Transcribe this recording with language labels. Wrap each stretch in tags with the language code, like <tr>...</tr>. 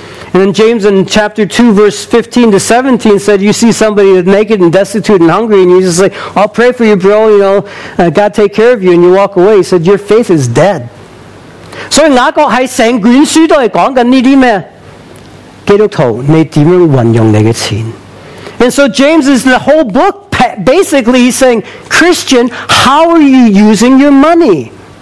<en>And then James in chapter 2 verse 15 to 17 said, you see somebody naked and destitute and hungry, and you just say, I'll pray for you, bro, you know, God take care of you, and you walk away. He said, your faith is dead.</en> <zh>所以雅各在整卷书都是讲的这些什么?基督徒,你怎样运用你的钱?</zh> <en>And so James is the whole book, basically he's saying, Christian, how are you using your money?</en>